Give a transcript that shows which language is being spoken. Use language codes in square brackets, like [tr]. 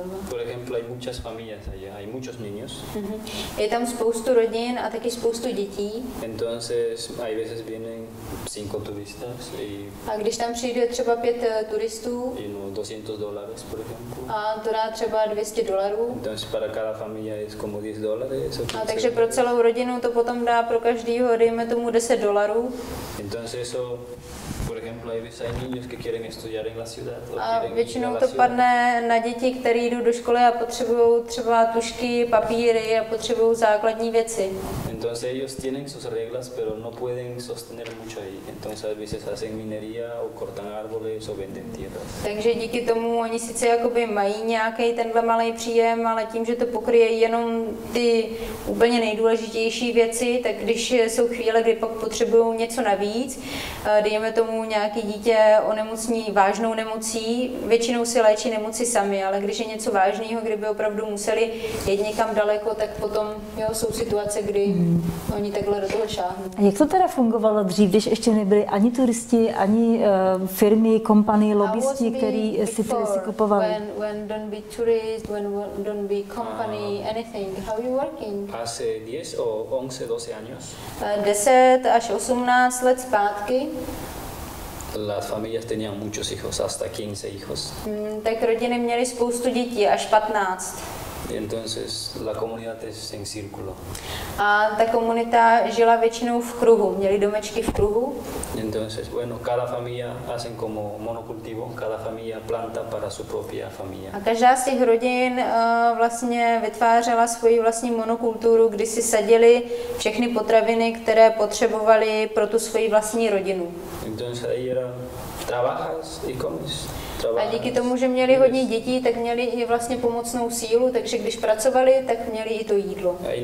[es] Por ejemplo, hay muchas familias allá, hay muchos niños. [cs] Je tam spoustu rodin a taky spoustu dětí. [es] Entonces, hay veces vienen 5 turistas y... [cs] A když tam přijde třeba 5 turistů? [es] No, $200, por ejemplo. [cs] A to dá třeba $200. [es] Entonces, para cada familia es como $10. [cs] A takže pro celou rodinu to potom dá pro každýho, dejme tomu $10. [es] Entonces, eso... Por ejemplo, hay veces niños que quieren estudiar en la ciudad. [cs] A většinou to padne na děti, které jdou do školy a potřebují třeba tušky, papíry a potřebují základní věci. [es] Entonces ellos tienen sus reglas, pero no pueden sostener mucho ahí. Entonces a veces hacen minería o cortan árboles o venden tierras. [cs] Takže díky tomu oni sice jakoby mají nějaký tenhle malý příjem, ale tím, že to pokryje jenom ty úplně nejdůležitější věci, tak když jsou chvíle, kdy pak potřebují něco navíc, dejme tomu nějaké dítě onemocní vážnou nemocí, většinou si léčí nemoci sami, ale když je něco vážného, kdyby opravdu museli jít někam daleko, tak potom jo, jsou situace, kdy oni takhle do toho šáhnou. A jak to teda fungovalo dřív, když ještě nebyli ani turisti, ani firmy, kompanie, lobbysti, kteří si ty lesy kupovali? [en] When don't be tourist, when don't be company, anything, how you working? [es] Hace 10 o 11, 12 años. [cs] 10 až 18 let zpátky. [es] Las familias tenían muchos hijos, hasta 15 hijos. [cs] Tak rodiny měly spoustu dětí, až 15. [es] Entonces la comunidad es en círculo. [cs] A ta komunita žila většinou v kruhu, měli domečky v kruhu. [es] Entonces, bueno, cada familia hacen como monocultivo, cada familia planta para su propia familia. [cs] A každá z těch rodin vlastně vytvářela svoji vlastní monokulturu, kdy si sadili všechny potraviny, které potřebovali pro tu svoji vlastní rodinu. [es] Entonces ahí era trabajas y comes. [cs] A díky tomu, že měli hodně dětí, tak měli i vlastně pomocnou sílu, takže když pracovali, tak měli i to jídlo.